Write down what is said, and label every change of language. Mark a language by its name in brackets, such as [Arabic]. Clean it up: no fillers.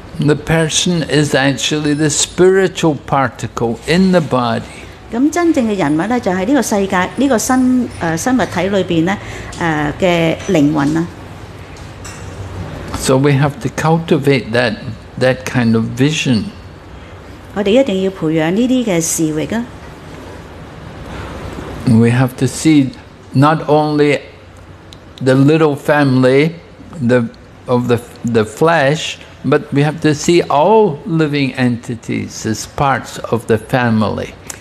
[English] The person is actually the spiritual particle in the body. [Chinese] 真正的人物就是这个世界,这个生物体里面的灵魂。So [English] we have to cultivate that kind of vision. [Chinese] 我们一定要培养这些思维。We [English] have to see not only the little family, of the flesh, but we have to see all living entities as parts of the family.